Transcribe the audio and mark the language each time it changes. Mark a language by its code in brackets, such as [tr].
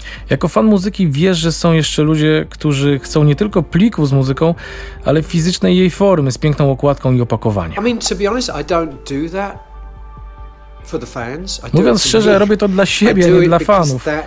[pl] Jako fan muzyki wiesz, że są jeszcze ludzie, którzy chcą nie tylko pliku z muzyką, ale fizycznej jej formy z piękną okładką i opakowaniem. [en] I mean, to be honest, I don't do that. for the fans. [pl] Mówiąc szczerze, robię to dla siebie, nie dla fanów.